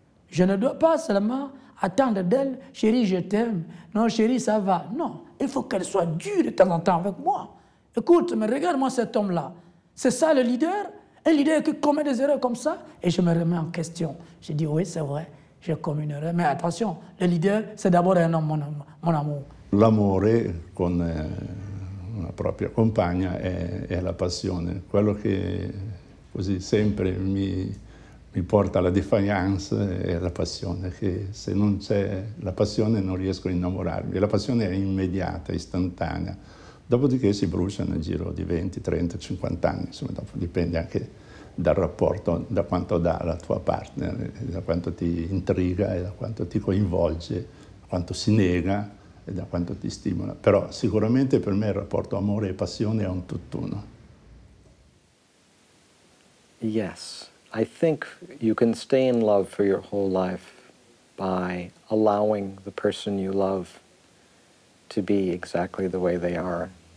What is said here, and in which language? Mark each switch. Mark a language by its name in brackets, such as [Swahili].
[French] Je ne dois pas seulement attendre d'elle, chérie, je t'aime. Non, chérie, ça va. Non, il faut qu'elle soit dure de temps en temps avec moi. Écoute, mais regarde-moi cet homme-là. C'est ça le leader? Un leader qui commet des erreurs comme ça? Et je me remets en question. Je dis, oui, c'est vrai. J'ai commis une erreur, mais attention, le leader, c'est d'abord un homme, mon amour. [Italian] L'amore con la propria compagna è la passione. Quello che così sempre mi porta la défaillance e la passione, che se non c'è la passione non riesco a innamorarmi. La passione è immediata, istantanea, dopodiché si brucia nel giro di 20, 30, 50 anni, insomma dopo dipende anche dal rapporto, da quanto dà la tua partner, da quanto ti intriga e da quanto ti coinvolge, da quanto si nega e da quanto ti stimola. Però sicuramente per me il rapporto amore e passione è un tutt'uno. [English] Yes, I think you can stay in love for your whole life by allowing the person you love to be exactly the way they are.